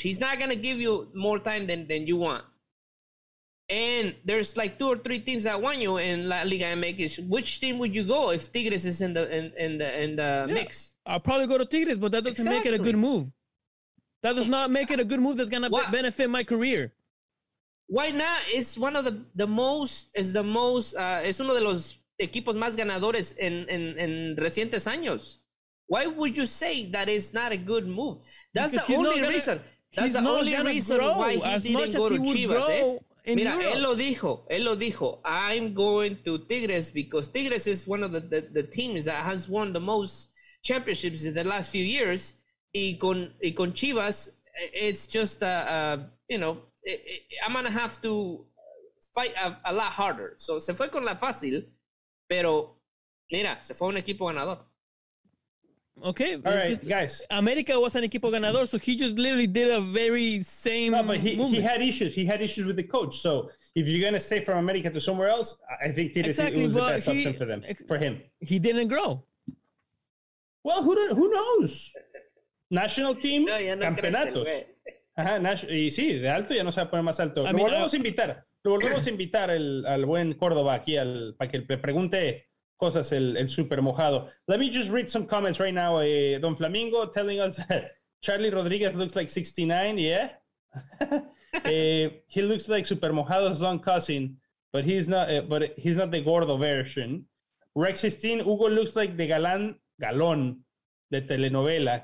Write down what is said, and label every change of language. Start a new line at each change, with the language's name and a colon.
English: He's not going to give you more time than you want. And there's like two or three teams that want you in La Liga MX. Which team would you go if Tigres is in the mix? I'll probably go to Tigres, but that doesn't make it a good move. That does not make it a good move. That's gonna benefit my career. Why not? It's one of the most.
Spanish: Es uno de los equipos más ganadores en recientes años.
English: Why would you say that it's not a good move? That's the only reason. That's the only reason why he didn't go to Chivas.
Spanish: Él lo dijo.
English: I'm going to Tigres because Tigres is one of the teams that has won the most championships in the last few years.
Spanish: Y con Chivas,
English: it's just, I'm going to have to fight a lot harder.
Spanish: So se fue con la fácil, pero mira, se fue un equipo ganador.
English: Okay. All right, guys. America was an
Spanish: equipo ganador,
English: so he just literally did a very same movement. He had issues. He had issues with the coach. So if you're going to stay from America to somewhere else, I think Tigres was the best option for him. He didn't grow. Well, who knows? National team, campeonatos.
Spanish: Sí, de alto ya no se va a poner más alto. Lo volvemos a invitar al buen Córdoba aquí para que le pregunte cosas el super mojado.
English: Let me just read some comments right now. Don Flamingo telling us that Charlie Rodriguez looks like 69. Yeah. he looks like super mojado's long cousin, but he's not the gordo version. Rex 16, Hugo looks like the
Spanish: galón de telenovela.